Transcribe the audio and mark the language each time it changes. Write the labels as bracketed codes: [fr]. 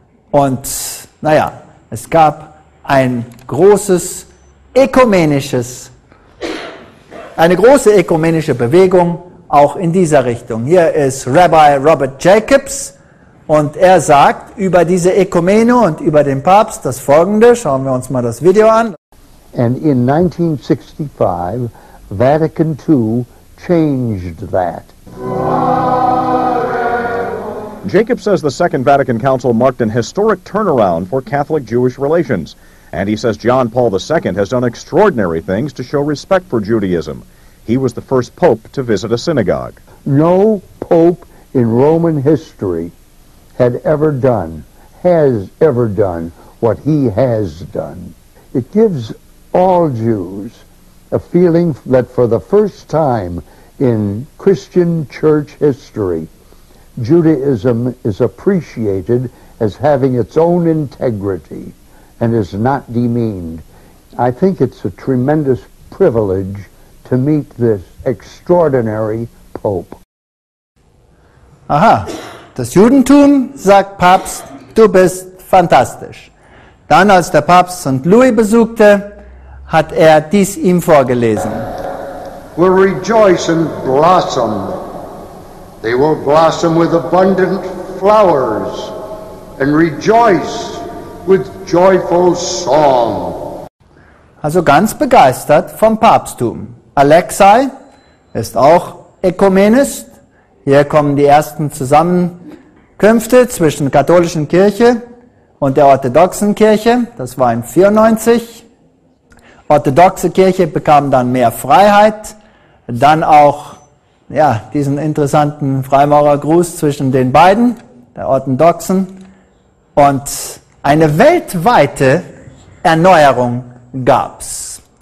[de] und naja, es gab ein großes ökumenisches, eine große ökumenische Bewegung auch in dieser Richtung. Hier ist Rabbi Robert Jacobs und er sagt über diese Ökumene und über den Papst das Folgende, schauen wir uns mal das Video an. [en] And in 1965, Vatican II changed that. Jacob says the Second Vatican Council marked an historic turnaround for Catholic-Jewish relations. And he says John Paul II has done extraordinary things to show respect for Judaism. He was the first pope to visit a synagogue. No pope in Roman history had ever done, has ever done, what he has done. It gives all Jews a feeling that for the first time in Christian church history, Judaism is appreciated as having its own integrity and is not demeaned. I think it's a tremendous privilege to meet this extraordinary Pope. [de] Aha, das Judentum, sagt Papst, du bist fantastisch. Dann, als der Papst St. Louis besuchte, hat er dies ihm vorgelesen. [en] Will rejoice and blossom. They will blossom with abundant flowers and rejoice with joyful song. [de] Also ganz begeistert vom Papsttum. Alexei ist auch Ökumenist. Hier kommen die ersten Zusammenkünfte zwischen der katholischen Kirche und der orthodoxen Kirche. Das war in 94. Orthodoxe Kirche bekam dann mehr Freiheit, dann auch ja diesen interessanten Freimaurergruß zwischen den beiden, der Orthodoxen, und eine weltweite Erneuerung gab's.